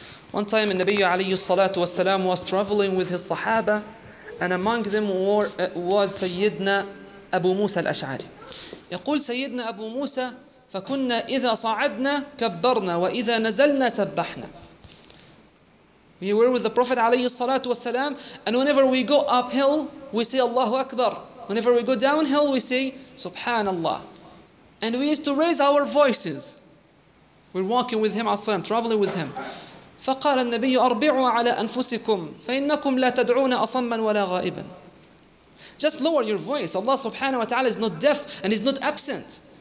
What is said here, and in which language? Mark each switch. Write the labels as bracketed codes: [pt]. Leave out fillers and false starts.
[en] One time Nabi alayhi salatu wasalam was traveling with his sahaba, and among them was Sayyidina أبو موسى الأشعري. [ar] يقول سيدنا أبو موسى فكنا إذا صعدنا كبرنا وإذا نزلنا سبحنا. [en] We were with the Prophet عليه الصلاة والسلام, and whenever we go uphill we say الله أكبر, whenever we go downhill we say سبحان الله, and we used to raise our voices. We're walking with him عليه الصلاة, traveling with him. [ar] فقال النبي أربعوا على أنفسكم فإنكم لا تدعون أصما ولا غائبا. [en] Just lower your voice. Allah subhanahu wa ta'ala is not deaf and is not absent.